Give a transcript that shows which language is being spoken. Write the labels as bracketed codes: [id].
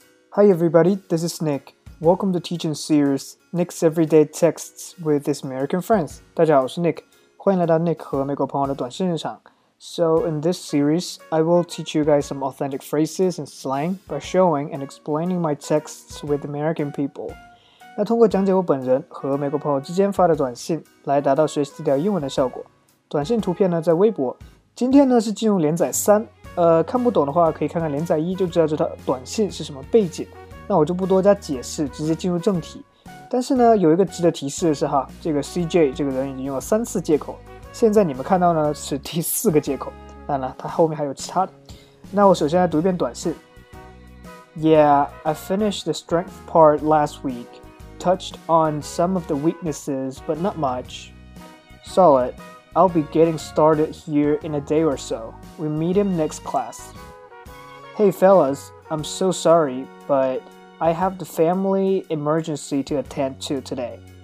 [en] Hi everybody, this is Nick. Welcome to Teaching Series, Nick's Everyday Texts with his American Friends. [zh] 大家好，我是 Nick， 欢迎来到 Nick 和美国朋友的短信日常。 [en] So in this series, I will teach you guys some authentic phrases and slang by showing and explaining my texts with American people. [zh] 那通过讲解我本人和美国朋友之间发的短信来达到学习这条英文的效果。短信图片呢在微博。今天呢是进入连载三。看不懂的话可以看看连载一就知道这条短信是什么背景，那我就不多加解释，直接进入正题。但是呢有一个值得提示的是哈，这个 CJ 这个人已经用了三次借口，现在你们看到呢是第四个借口，当然他后面还有其他的。那我首先来读一遍短信。 [en] Yeah, I finished the strength part last week. Touched on some of the weaknesses, but not much. Solid. I'll be getting started here in a day or so. We meet him next class. Hey fellas, I'm so sorry, but I have the family emergency to attend to today.